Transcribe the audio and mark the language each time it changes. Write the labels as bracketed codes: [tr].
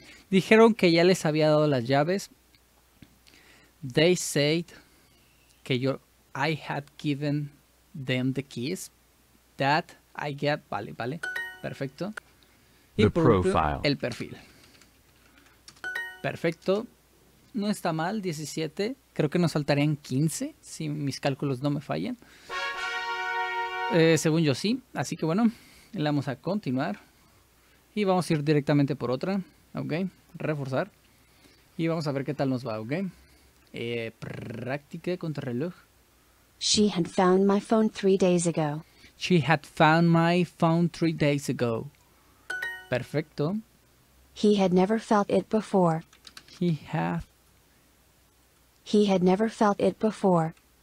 [es] Dijeron que ya les había dado las llaves. [en] They said [es] que yo, [en] I had given them the keys. That I get, [es] vale, vale, perfecto. Y [en] the profile. [es] El perfil. Perfecto. No está mal, 17. Creo que nos faltarían 15, si mis cálculos no me fallan. Según yo, sí. Así que bueno, le vamos a continuar. Y vamos a ir directamente por otra. Ok, reforzar. Y vamos a ver qué tal nos va, ok. Práctica contra reloj. [en] She had found my phone 3 days ago. She had found my phone 3 days ago. [es] Perfecto. [en] He had never felt it before. He had never felt it before.